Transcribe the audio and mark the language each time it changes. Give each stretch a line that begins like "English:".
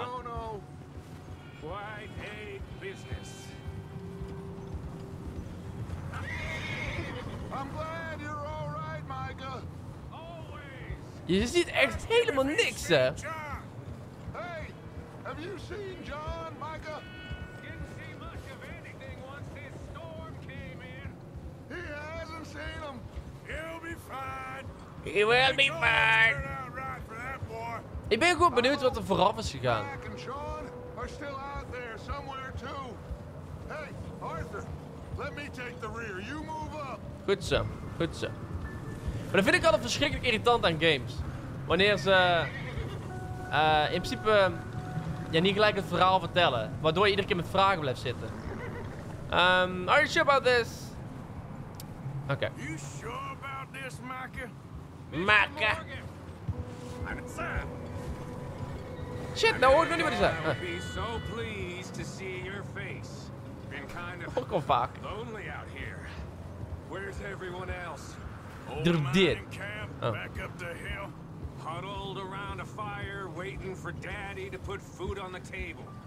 English: You don't know. Quite a business. I'm glad you're all right, Micah. Always.
Dutch: Je ziet echt helemaal niks, hè.
English: Hey, have you seen John, Micah? Didn't see much of anything once this storm came in. He hasn't seen him. He'll be fine. He will be fine. Right for that boy.
Dutch: Ik ben gewoon benieuwd wat er vooraf is gegaan.
English: Jack and Sean are still out there somewhere too. Hey, Arthur, let me take the rear. You move up.
Dutch: Goed zo, goed zo. Maar dat vind ik altijd verschrikkelijk irritant aan games. Wanneer ze in principe niet gelijk het verhaal vertellen. Waardoor je iedere keer met vragen blijft zitten.
English: Are you sure about this? Oké. You sure about this, Micah? Micah. Morgan.
Dutch: Shit, nou hoor ik nog niet wat hij zei.
English: I would be so pleased to see your face. Been kind of
Dutch: ook al vaak.
English: Lonely out here. Where's everyone else? Over mine in camp, back up the hill. Huddled around a fire, waiting for Daddy to put food on the table.